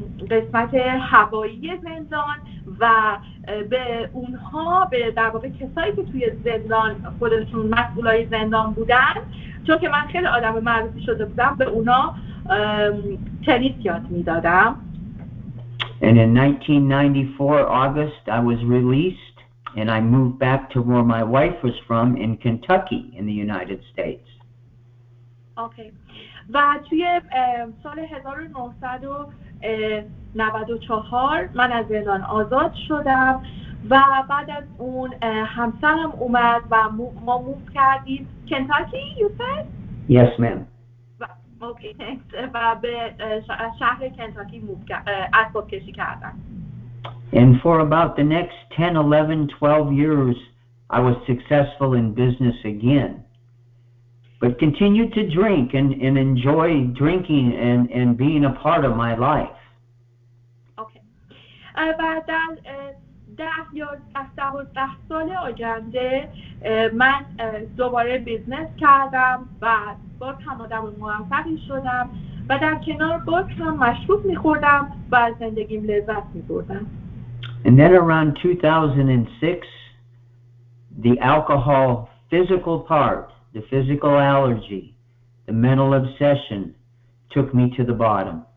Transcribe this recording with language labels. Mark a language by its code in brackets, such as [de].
[fa] قسمت هوایی زندان و به اونها، به در واقع کسایی که توی زندان خودشون مسئولای زندان بودن، چون که من خیلی آدم معروفی شده بودم، به اونا تنیس یاد میدادم. [en] And in 1994 August I was released and I moved back to where my wife was from in Kentucky in the United States. Okay. [fa] و توی سال 1994 من از زندان آزاد شدم و بعد از اون همسرم اومد و ما موو کردیم کنتاکی. [en] You said? Yes, ma'am. Okay, thanks. [fa] و به شهر کنتاکی موو کرد، اسباب کشی کردم. [en] And for about the next 10, 11, 12 years, I was successful in business again. But continued to drink and enjoy drinking and being a part of my life. Okay. [fa] بعد از 10 یا 12 سال آینده من دوباره بیزنس کردم و باز هم آدم موفقی شدم و در کنار باز هم مشروب می‌خوردم و زندگیم لذت می‌بردم. [en] And then around 2006, the alcohol physical part, the physical allergy, the mental obsession, took me to the bottom.